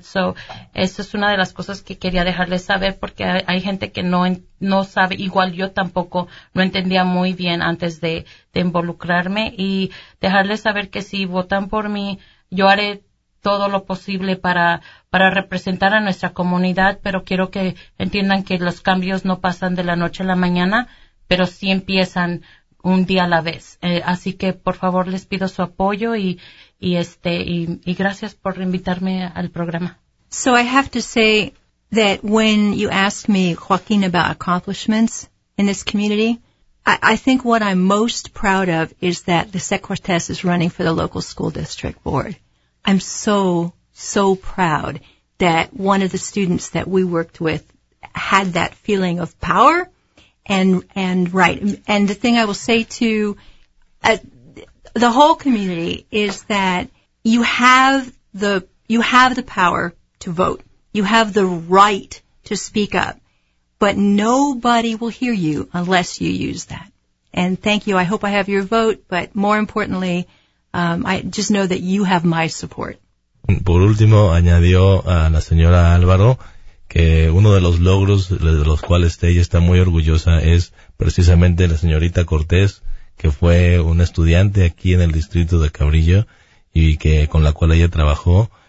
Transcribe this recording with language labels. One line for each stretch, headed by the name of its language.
Spanish: So, eso es una de las cosas que quería dejarles saber, porque hay gente que no sabe, igual yo tampoco no entendía muy bien antes de involucrarme, y dejarles saber que si votan por mí, yo haré todo lo posible para representar a nuestra comunidad, pero quiero que entiendan que los cambios no pasan de la noche a la mañana, pero sí empiezan un día a la vez. Así que, por favor, les pido su apoyo y gracias por invitarme al programa.
English: So I have to say that when you asked me, Joaquin, about accomplishments in this community, I think what I'm most proud of is that Lissette Cortez is running for the local school district board. I'm so, so proud that one of the students that we worked with had that feeling of power and right. And the thing I will say to the whole community is that you have the power to vote. You have the right to speak up. But nobody will hear you unless you use that. And thank you. I hope I have your vote. But more importantly, I just know that you have my support.
Spanish: Por último, añadió a la señora Álvaro que uno de los logros de los cuales ella está muy orgullosa es precisamente la señorita Cortés, que fue una estudiante aquí en el distrito de Cabrillo y que con la cual ella trabajó.